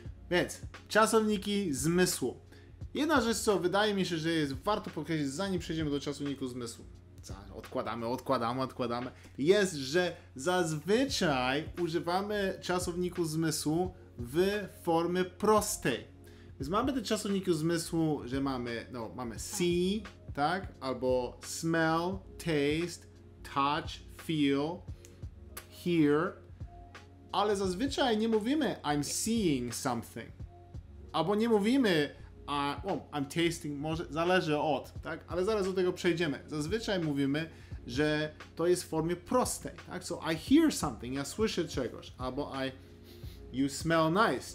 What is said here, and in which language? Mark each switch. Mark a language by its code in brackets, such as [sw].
[pl] Więc, czasowniki zmysłu. Jedna rzecz, co wydaje mi się, że jest warto podkreślić, zanim przejdziemy do czasowniku zmysłu. Odkładamy. Jest, że zazwyczaj używamy czasowniku zmysłu w formie prostej. Więc mamy te czasowniki zmysłu, że mamy, no, mamy see, tak? Albo [en] smell, taste, touch, feel, hear. [pl] Ale zazwyczaj nie mówimy [en] I'm seeing something. [pl] Albo nie mówimy [en] I'm tasting, [pl] może zależy od, tak? Ale zaraz do tego przejdziemy. Zazwyczaj mówimy, że to jest w formie prostej, tak? [en] So I hear something, [pl] ja słyszę czegoś, albo [en] you smell nice.